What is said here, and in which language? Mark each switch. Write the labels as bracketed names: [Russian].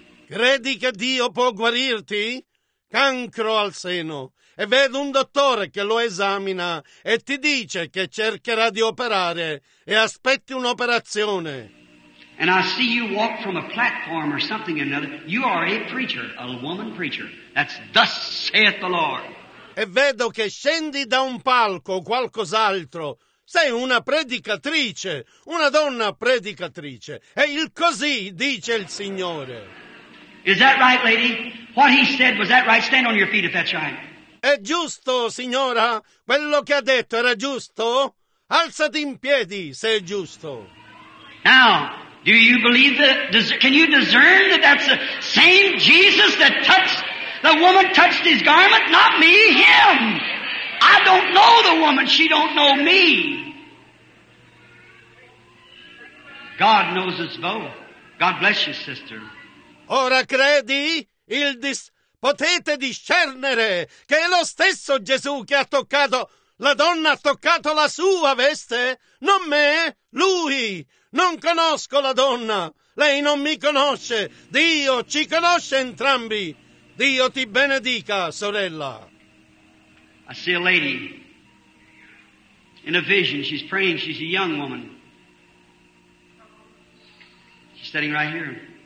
[Italian] Credi che Dio può guarirti? Cancro al seno. E vedo un dottore che lo esamina e ti dice che cercherà di operare e aspetti un'operazione. [English] And I see you walk from a platform or something or another. You are a preacher, a woman preacher. That's thus saith the Lord. [Italian] E vedo che scendi da un palco o qualcos'altro. Sei una predicatrice, una donna predicatrice. E il così dice il Signore. [English] Is that right, lady? What he said, was that right? Stand on your feet if that's right. [Italian] È giusto, signora? Quello che ha detto era giusto? Alzati in piedi, se è giusto. [English] Now, do you believe that, can you discern that that's the same Jesus that touched, the woman touched his garment? Not me, him. I don't know the woman, she don't know me. God knows us both. God bless you, sister. [Italian] Ora credi? Potete discernere che è lo stesso Gesù che ha toccato, la donna ha toccato la sua veste, non me, lui. Non conosco la donna, lei non mi conosce, Dio ci conosce entrambi. Dio ti benedica, sorella. [English] I see a lady in a vision, she's praying, she's a young woman. She's sitting right here.